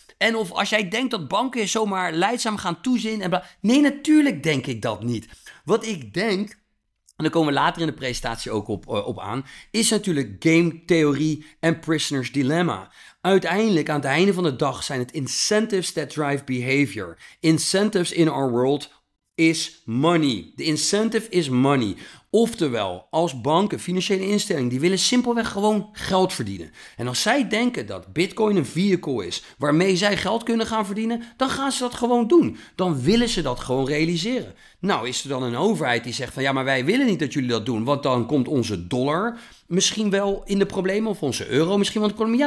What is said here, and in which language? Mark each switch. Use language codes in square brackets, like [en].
[nl] En of als jij denkt dat banken zomaar leidzaam gaan toezien en bla. Nee, natuurlijk denk ik dat niet. Wat ik denk, en daar komen we later in de presentatie ook op aan, is natuurlijk game theorie en prisoner's dilemma. Uiteindelijk, aan het einde van de dag, zijn het [en] incentives that drive behavior. Incentives in our world is money. The incentive is money. [nl] Oftewel, als banken, financiële instellingen, die willen simpelweg gewoon geld verdienen. En als zij denken dat Bitcoin een vehicle is waarmee zij geld kunnen gaan verdienen, dan gaan ze dat gewoon doen. Dan willen ze dat gewoon realiseren. Nou, is er dan een overheid die zegt van ja, maar wij willen niet dat jullie dat doen, want dan komt onze dollar misschien wel in de problemen of onze euro misschien wel in de problemen.